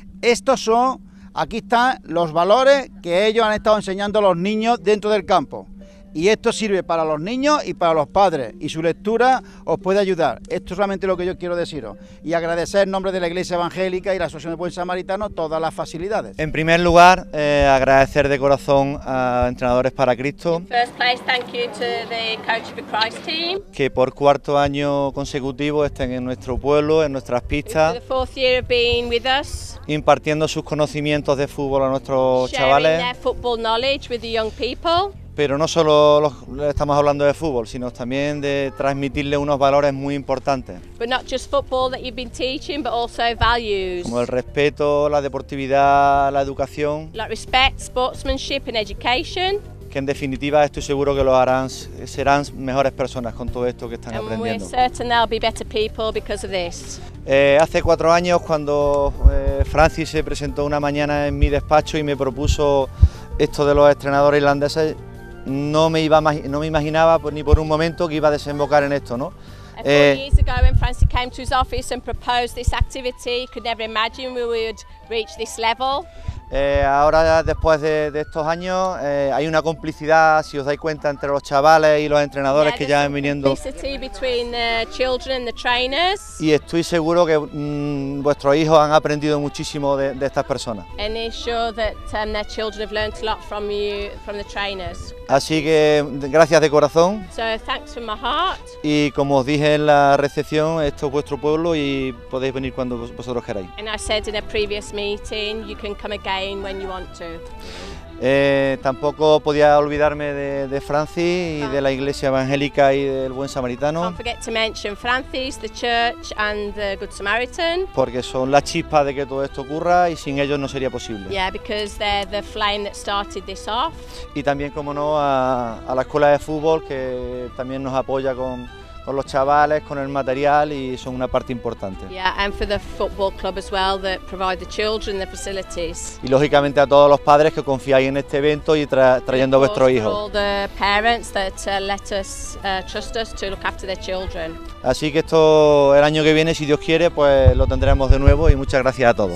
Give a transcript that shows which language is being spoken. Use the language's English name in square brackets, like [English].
[Spanish] Estos son, aquí están los valores que ellos han estado enseñando a los niños dentro del campo. Y esto sirve para los niños y para los padres, y su lectura os puede ayudar. Esto es solamente lo que yo quiero deciros. Y agradecer en nombre de la Iglesia Evangélica y la Asociación del Buen Samaritano todas las facilidades. En primer lugar, agradecer de corazón a Entrenadores para Cristo. [English] In first place, thank you to the Coach for Christ team. [Spanish] Que por 4º año consecutivo estén en nuestro pueblo, en nuestras pistas. [English] For the 4th year of being with us. [Spanish] Impartiendo sus conocimientos de fútbol a nuestros chavales. [English] Sharing their football knowledge with the young people. [Spanish] Pero no solo estamos hablando de fútbol, sino también de transmitirle unos valores muy importantes. [English] But not just football that you've been teaching, but also values. [Spanish] Como el respeto, la deportividad, la educación. [English] Like respect, sportsmanship and education. [Spanish] Que en definitiva estoy seguro que lo harán, serán mejores personas con todo esto que están [English] and [Spanish] aprendiendo. [English] We're certain they'll be better people because of this. [Spanish] Hace 4 años, cuando Francis se presentó una mañana en mi despacho y me propuso esto de los entrenadores islandeses, no me imaginaba pues, ni por un momento que iba a desembocar en esto, ¿no? [English] 4 years ago, when Francis came to his office and proposed this activity, could never imagine we would reach this level. [Spanish] Ahora, después de estos años, hay una complicidad, si os dais cuenta, entre los chavales y los entrenadores que ya van viniendo. [English] Between the children and the trainers. [Spanish] Y estoy seguro que vuestros hijos han aprendido muchísimo de estas personas. [English] And they show that their children have learned a lot from you, from the trainers. [Spanish] Así que gracias de corazón. [English] So thanks from my heart. [Spanish] Y como os dije en la recepción, esto es vuestro pueblo y podéis venir cuando vosotros queráis. [English] And I said in a previous meeting, you can come again. When you want to. [Spanish] Tampoco podía olvidarme de Francis y de la Iglesia Evangélica y del Buen Samaritano. [English] Don't forget to mention Francis, the church and the Good Samaritan. [Spanish] Porque son la chispa de que todo esto ocurra y sin ellos no sería posible. [English] Yeah, because they're the flame that started this off. [Spanish] Y también, como no, a la escuela de fútbol, que también nos apoya con los chavales, con el material, y son una parte importante. [English] Yeah, and for the football club as well, that provide the children the facilities. [Spanish] Y lógicamente a todos los padres que confiáis en este evento y trayendo vuestros hijos. [English] All the parents that let us trust us to look after their children. [Spanish] Así que esto el año que viene, si Dios quiere, pues lo tendremos de nuevo, y muchas gracias a todos.